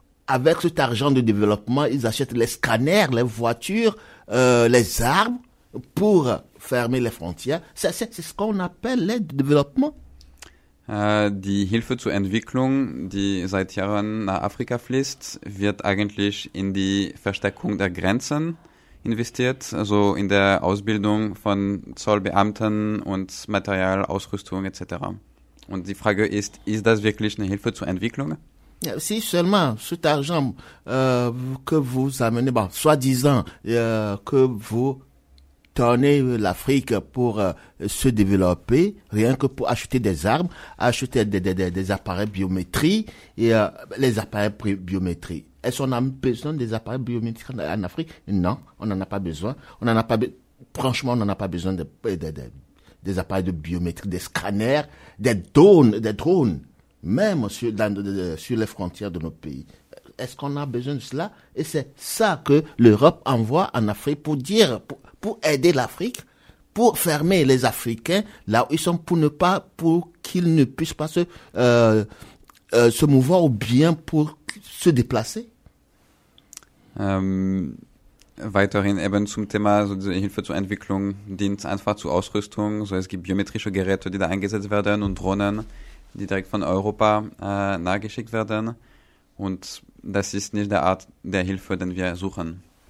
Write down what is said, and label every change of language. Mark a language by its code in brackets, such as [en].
[fr] Avec cet argent de développement, ils achètent les scanners, les voitures, les armes pour fermer les frontières. C'est ce qu'on appelle l'aide au développement. [de] Die Hilfe zur Entwicklung, die seit Jahren nach Afrika fließt, wird eigentlich in die Verstärkung der Grenzen investiert, also in der Ausbildung von Zollbeamten und Material, Ausrüstung etc. Und die Frage ist, ist das wirklich eine Hilfe zur Entwicklung? [fr] Ja, si seulement cet argent que vous amenez, bon, soi-disant que vous tourner l'Afrique pour se développer, rien que pour acheter des armes, acheter des appareils biométriques et les appareils biométriques. Est-ce qu'on a besoin des appareils biométriques en Afrique? Non, on n'en a pas besoin. Franchement, on n'en a pas besoin des appareils de biométriques, des scanners, des drones, même sur les frontières de nos pays. Est-ce qu'on a besoin de cela? Et c'est ça que l'Europe envoie en Afrique pour dire... Pour aider l'Afrique, pour fermer les Africains là où ils sont, pour qu'ils ne puissent pas se mouvoir ou bien pour se déplacer. [de] Weiterhin eben zum Thema so diese Hilfe zur Entwicklung dient einfach zur Ausrüstung. So, es gibt biometrische Geräte, die da eingesetzt werden und Drohnen, die direkt von Europa nahegeschickt werden. Und das ist nicht der Art der Hilfe, den wir suchen.